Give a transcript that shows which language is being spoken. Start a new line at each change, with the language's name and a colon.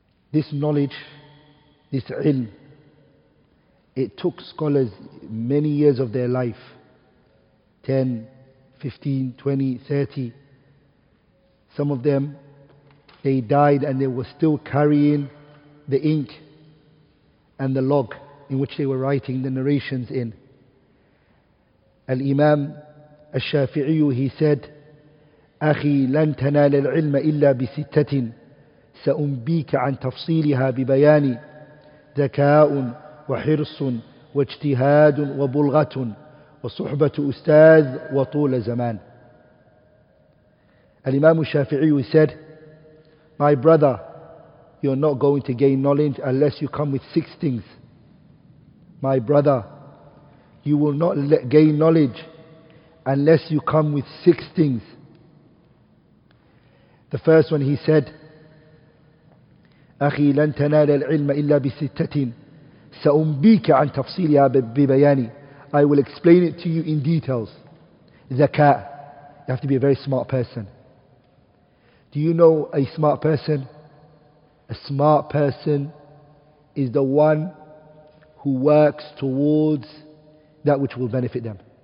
English: This knowledge, this ilm, it took scholars many years of their life, 10, 15, 20, 30. Some of them, they died and they were still carrying the ink and the log in which they were writing the narrations in.
Arabic: Al-Imam al-Shafi'i,
English: he said,
Arabic: أخي لن تنال العلم إلا بستة سأنبيك عن تفصيلها ببيان ذكاء وحرص واجتهاد وبلغة وصحبة أستاذ وطول زمان.
English: Al-Imam al-Shafi'i said, my brother, you're not going to gain knowledge unless you come with six things. My brother, you will not gain knowledge unless you come with six things. The first one, he said,
Arabic: أخي لن تنال العلم إلا بستة سأنبيك عن تفصيلها ببياني.
English: I will explain it to you in details.
Arabic: زكاة.
English: You have to be a very smart person. Do you know a smart person? A smart person is the one who works towards that which will benefit them.